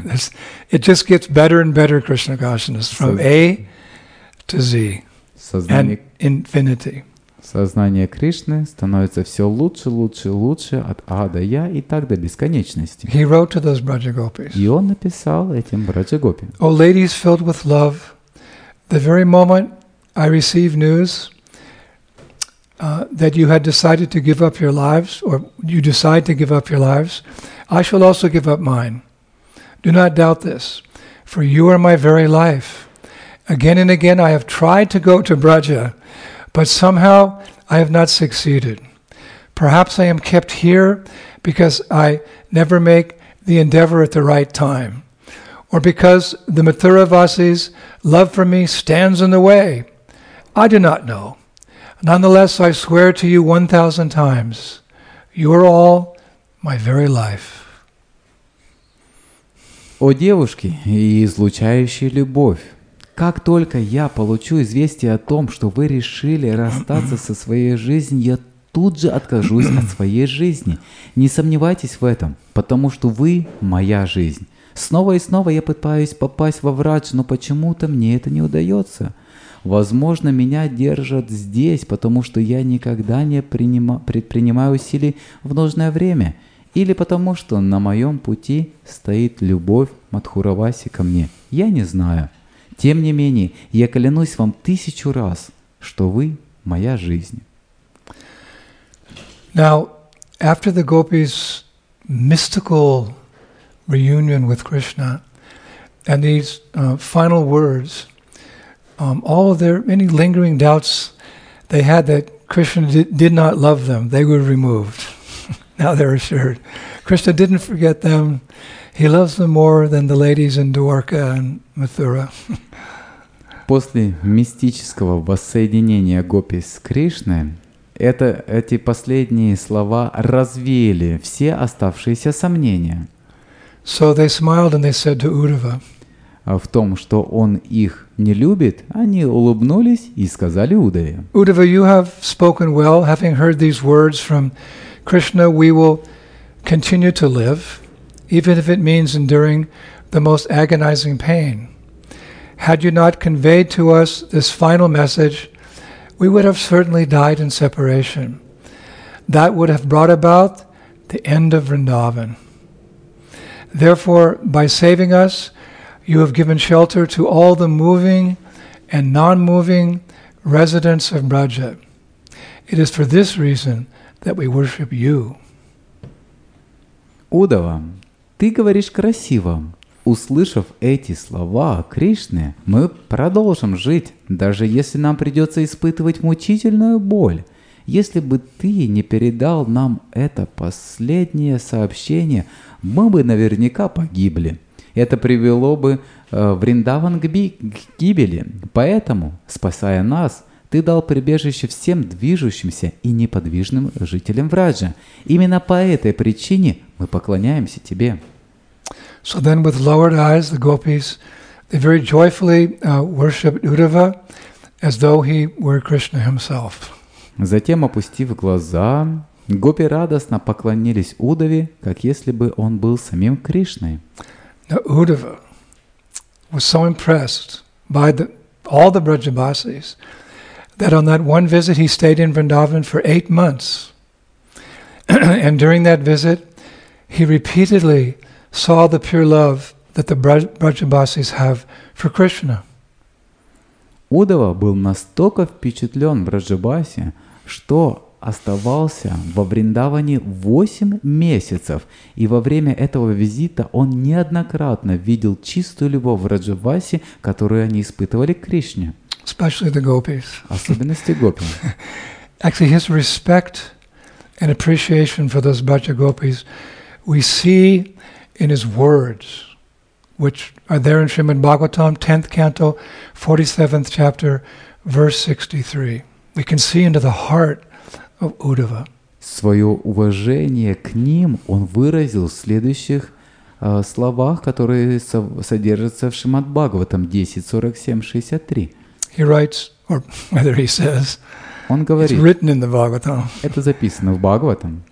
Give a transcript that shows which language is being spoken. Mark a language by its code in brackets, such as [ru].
[en] It just gets better and better, Krishna consciousness, from A to Z, and infinity. [ru] Сознание Кришны становится все лучше, лучше, лучше от А до Я и так до бесконечности. [en] He wrote to those Brajagopis. [ru] И он написал этим Брадже-гопи. [en] O ladies filled with love, the very moment I received news that you had decided to give up your lives, or you decide to give up your lives, I shall also give up mine. Do not doubt this, for you are my very life. Again and again I have tried to go to Braja, but somehow I have not succeeded. Perhaps I am kept here because I never make the endeavor at the right time, or because the Mathuravasi's love for me stands in the way. I do not know. Nonetheless, I swear to you 1,000 times, you are all my very life. [ru] О девушки, излучающей любовь, как только я получу известие о том, что вы решили расстаться со своей жизнью, я тут же откажусь от своей жизни. Не сомневайтесь в этом, потому что вы – моя жизнь. Снова и снова я пытаюсь попасть во врач, но почему-то мне это не удается. Возможно, меня держат здесь, потому что я никогда не предпринимаю усилий в нужное время. Или потому что на моем пути стоит любовь Мадхураваси ко мне. Я не знаю. Тем не менее, я клянусь вам тысячу раз, что вы моя жизнь. [en] Now, after the gopis' mystical reunion with Krishna and these final words, all of their any lingering doubts they had that Krishna did not love them, they were removed. Now they're assured. Krishna didn't forget them. He loves them more than the ladies in Dwarka and Mathura. [ru] После мистического воссоединения гопи с Кришной, эти последние слова развеяли все оставшиеся сомнения. [en] So they smiled and they said to Uddhava, [ru] в том, что он их не любит, они улыбнулись и сказали Удаве. [en] Uddhava, you have spoken well, having heard these words from Krishna, we will continue to live, even if it means enduring the most agonizing pain. Had you not conveyed to us this final message, we would have certainly died in separation. That would have brought about the end of Vrindavan. Therefore, by saving us, you have given shelter to all the moving and non-moving residents of Braja. It is for this reason that we worship you. [ru] Удава, ты говоришь красиво. Услышав эти слова Кришны, мы продолжим жить, даже если нам придется испытывать мучительную боль. Если бы ты не передал нам это последнее сообщение, мы бы наверняка погибли. Это привело бы Вриндаван к гибели. Поэтому, спасая нас, ты дал прибежище всем движущимся и неподвижным жителям Враджа. Именно по этой причине мы поклоняемся тебе. [en] So then with lowered eyes, the gopis, they very joyfully worshipped Uddhava as though he were Krishna himself. [ru] Затем, опустив глаза, гопи радостно поклонились Удаве, как если бы он был самим Кришной. [en] Now Uddhava was so impressed by all the Brajabasis that on that one visit he stayed in Vrindavan for 8 months. And during that visit, he repeatedly saw the pure love that the Brajabasis have for Krishna. [ru] Удава был настолько впечатлен Брajabasi, что оставался во Вриндаване 8 месяцев, и во время этого визита он неоднократно видел чистую любовь Брajabasi, которую они испытывали к Кришне. [en] Especially the gopis. [ru] Особенности гопи. [en] Actually, his respect and appreciation for those Brajagopis, we see in his words, which are there in Srimad Bhagavatam, 10th canto, 47th chapter, verse 63. We can see into the heart of Uddhava. [ru] Своё уважение к ним он выразил в следующих словах, которые содержатся в Шримад Бхагаватам 10.47.63. [en] He writes, or whether he says, [ru] он говорит, [en] it's written in the Bhagavatam. [ru] Это записано в Бхагаватам.